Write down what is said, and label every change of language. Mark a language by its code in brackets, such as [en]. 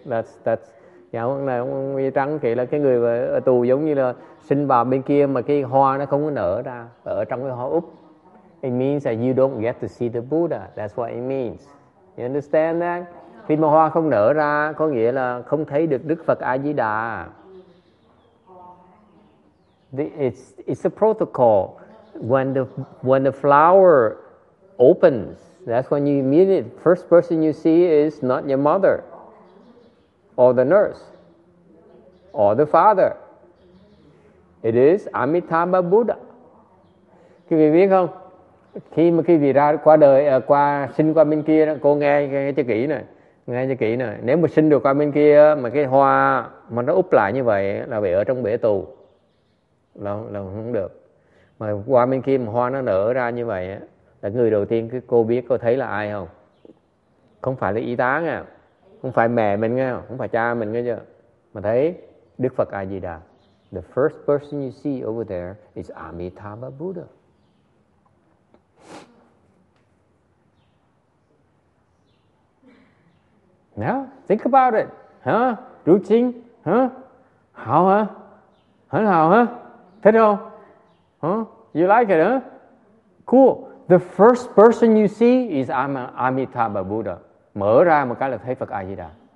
[vi] That's dạ ông này ông y trắng kể là cái người ở tù giống như là sinh vào bên kia mà cái hoa nó không có nở ra ở trong cái hoa úp. [en] It means that you don't get to see the Buddha. That's what it means. You understand that? [vi] Khi mà hoa không nở ra có nghĩa là không thấy được Đức Phật A Di Đà. [en] It's a protocol. When the flower opens, that's when you meet it. First person you see is not your mother. Or the nurse, or the father. It is Amitabha Buddha. [vi] Quý vị biết không? Khi mà quý vị ra qua đời, qua sinh qua bên kia, cô nghe cho kỹ này. Nếu mà sinh được qua bên kia, mà cái hoa mà nó úp lại như vậy, là bị ở trong bể tù, là không được. Mà qua bên kia mà hoa nó nở ra như vậy, là người đầu tiên cô biết, cô thấy là ai không? Không phải là y tá nghe. Không phải mẹ mình nghe, không phải cha mình nghe chứ. Mà thấy Đức Phật A Di Đà. [en] The first person you see over there is Amitabha Buddha. Now, think about it. Huh? Du Ching? Huh? How, huh? Hen hao, huh? Thế đâu? Huh? You like it, huh? Cool. The first person you see is Amitabha Buddha. [vi] Mở ra một cái là thấy Phật A Di Đà.